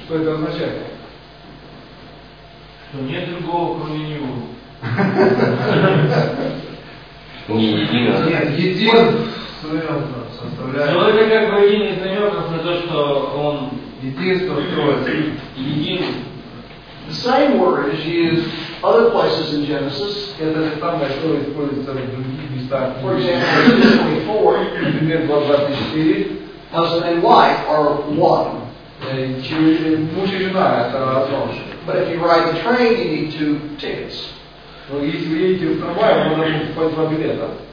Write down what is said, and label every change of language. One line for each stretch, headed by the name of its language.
Russian: Что это означает? Что нет другого, кроме Него. Что он един. Нет, един. Человек как бы один из намеков на то, что он единство строится. Един.
English: The same word is used other places in Genesis.
Russian: Это там что используется в других местах.
English: For example, Genesis 24. Husband and wife are one.
Russian: Муж и жена это одно.
English: But if you ride the train, you need two tickets.
Russian: Но если вы едете в трамвай, вам надо покупать два билета.